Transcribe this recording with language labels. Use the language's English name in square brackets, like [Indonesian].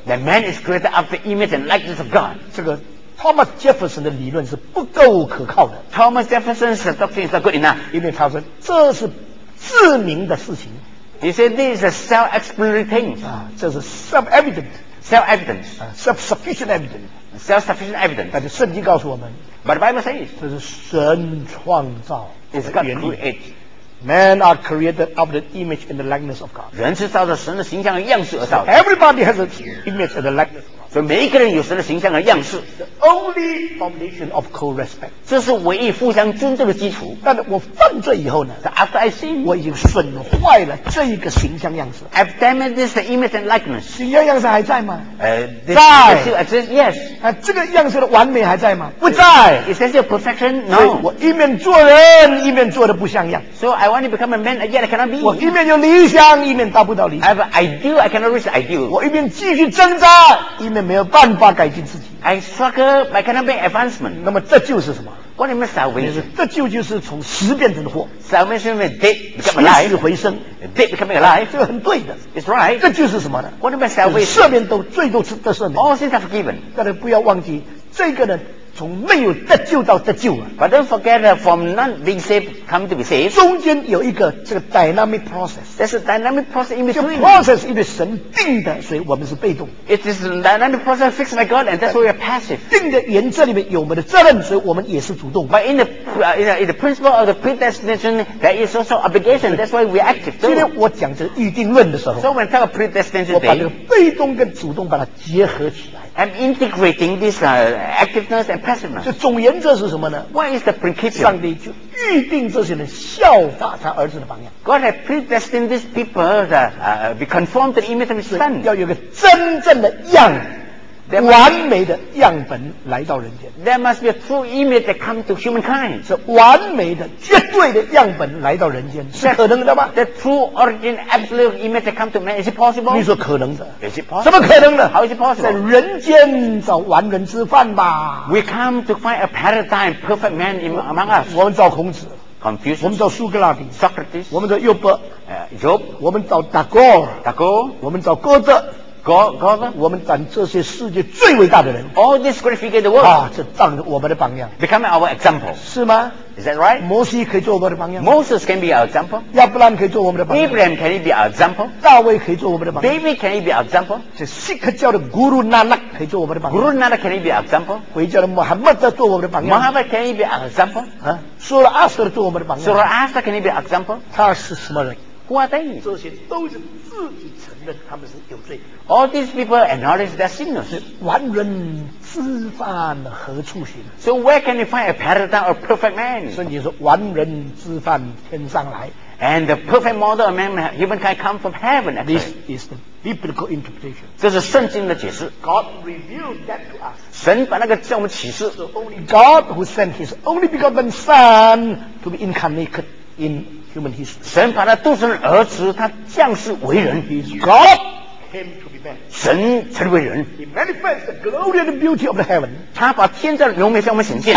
[English] The man is created after image and likeness of God. [Chinese] 这个Thomas Jefferson 的理论是不够可靠的。 [English] Thomas Jefferson's doctrine is not good enough. [Chinese] 因为他说这是自明的事情。 [English] He said this is a self-explanatory thing. [Chinese] 这是 self-evident. [English] Self-evidence. Self-sufficient evidence. Self-sufficient evidence. [Chinese] 但是圣经告诉我们。 [English] But the Bible says. [Chinese] 这是神创造的原理。 [English] It's God created. Men are created of the image and the likeness of God. [Chinese] 人是照着神的形象和样式而造的。 [English] So、everybody has an image and a likeness of God. [Chinese] 所以每一个人有神的形象和样式。 [English] The only foundation of co-respect. [Chinese] 这是唯一互相尊重的基础。但我犯罪以后呢 [English] ？So after I sin, [Chinese] 我已经损坏了这一个形象样式。 [English] I've damaged the image and likeness. [Chinese] 形象样式还在吗？在。 [English] Yes. [Chinese] 这个样式的完美还在吗？不在。 [English] Is that your perfection? No. [Chinese] 所以我一面做人，一面做的不像样。 [English] So I want to become a man, yet I cannot be. [Chinese] 我一面有理想，一面达不到理想。 [English] I have an ideal, I cannot reach the ideal. [Chinese] 我一面继续挣扎，一面没有办法改进自己。 [English] I struggle, but I cannot make advancement. [Chinese] 那么这就是什么？ [English] What is salvation? [Chinese] 这就是从死变成活。 [English] Salvation is dead becoming alive. [Chinese] 起死回生。 [English] Dead becoming alive. [Chinese] 这个很对的。 [English] It's right. [Chinese] 这就是什么呢？ [English] What is salvation? [Chinese] 赦免都罪都得赦免。 [English] All sins are forgiven. [Chinese] 但是不要忘记，这个呢，从没有得救到得救啊。 [English] But don't forget that from not being saved, coming to be saved. [Chinese] 中间有一个这个 dynamic process. [English] There's a dynamic process in between. [Chinese] 这个 process 因为神定的，所以我们是被动。 [English] It is a dynamic process fixed by God, and that's why we are passive. [Chinese] 定的原则里面有我们的责任，所以我们也是主动。 [English] But in the principle of the predestination, there is also obligation, that's why we are active. [Chinese] 今天我讲这个预定论的时候 [English] ，So when talk predestination, [Chinese] 我把这个被动跟主动把它结合起来。 [English] I'm integrating this activeness and passiveness. [Chinese] 这总原则是什么呢？ [English] What is the principle? [Chinese] 上帝就预定这些人效法他儿子的榜样。 [English] God has predestined these people to be conformed to the image of his son. [Chinese] 要有个真正的样，完美的样本来到人间。 [English] There must be a true image that comes to humankind. [Chinese] 是完美的、绝对的样本来到人间，是可能的吗？ [English] The true origin, absolute image that comes to man, is it possible? [Chinese] 你说可能的。 [English] Is it possible? [Chinese] 怎么可能的？ [English] How is it possible? [Chinese] 在人间找完人之范吧。 [English] We come to find a paradigm, perfect man among us. [Chinese] 我们找孔子。 [English] Confucius. [Chinese] 我们找苏格拉底。 [English] Socrates. [Chinese] 我们找约伯。 [English] Job. [Chinese] 我们找达哥。达哥。我们找歌德。 [English] God, [Chinese] 我们找这些世界最伟大的人。 [English] All these great figures in the world. [Chinese] 啊，这当我们的榜样。 [English] Become our example. [Chinese] 是吗？ [English] Is that right? [Chinese] 摩西可以做我们的榜样。 [English] Moses can be our example. [Chinese] 亚伯兰可以做我们的榜样。 [English] Abraham can he be our example? [Chinese] 大卫可以做我们的榜样。 [English] David can he be our example? [Chinese] 这锡克教的 Guru Nanak 可以做我们的榜样。 [English] Guru Nanak can he be our example? [Chinese] 回教的穆罕默德做我们的榜样。 [English] 穆罕默德 can he be our example? [Chinese] 啊，苏拉阿斯特做我们的榜样。 [English] 苏拉阿斯特 can he be our example? [Chinese] 他是什么人？ [English] Who are they? [Chinese] 这些都是自己承认他们是有罪。 [English] All these people acknowledge their sinners. [Chinese] 完人之范何处寻？ [English] So where can you find a paradigm of perfect man? [Chinese] 圣经说完人之范天上来。 [English] And the perfect model of man, humankind come from heaven. This is the biblical interpretation. [Chinese] 这是圣经的解释。 [English] God revealed that to us. [Chinese] 神把那个向我们启示。 [English] So only God who sent his only begotten son to be incarnate in human history. [Chinese] 神把那独生儿子他降世为人。 [English] He's God. Came to be man. [Chinese] 神成为人。 [English] He manifests the glory and the beauty of the heaven. [Chinese] 他把天上的荣美向我们显现。